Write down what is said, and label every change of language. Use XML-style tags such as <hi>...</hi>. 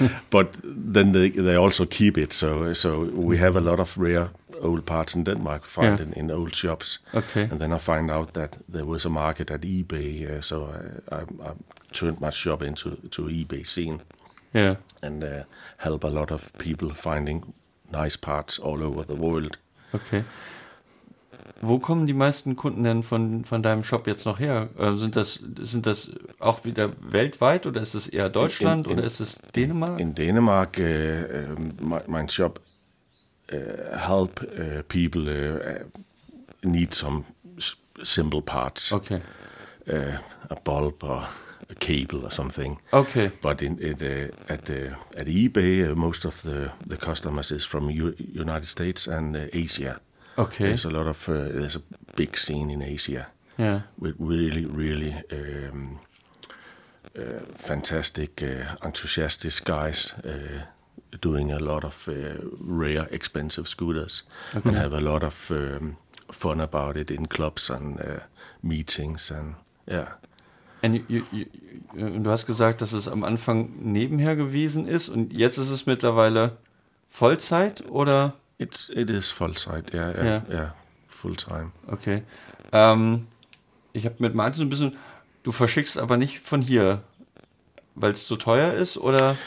<en>But then they also keep it. So we have a lot of rare old parts in Denmark, in old shops. Okay. And then I find out that there was a market at eBay. So I turned my shop into eBay scene. Yeah. And help a lot of people finding nice parts all over the world. Okay.</en> <de>Wo kommen die meisten Kunden denn von deinem Shop jetzt noch her? Sind das auch wieder weltweit oder ist es eher Deutschland oder ist es Dänemark? In Dänemark, mein Shop</de> <en>help people need some simple parts. Okay. A bulb or a cable or something. Okay. But at eBay, most of the customers is from United States and Asia. Okay. There's a big scene in Asia. Yeah. With really, really fantastic, enthusiastic guys doing a lot of rare, expensive scooters. Okay. And have a lot of fun about it in clubs and meetings and, yeah.</en> <de>And du hast gesagt, dass es am Anfang nebenher gewesen ist und jetzt ist es mittlerweile Vollzeit oder?</de> <en>It is Vollzeit, Fulltime. Okay.</en> <de>Ich habe mit Martin so ein bisschen, du verschickst aber nicht von hier, weil es so teuer ist, oder?</de>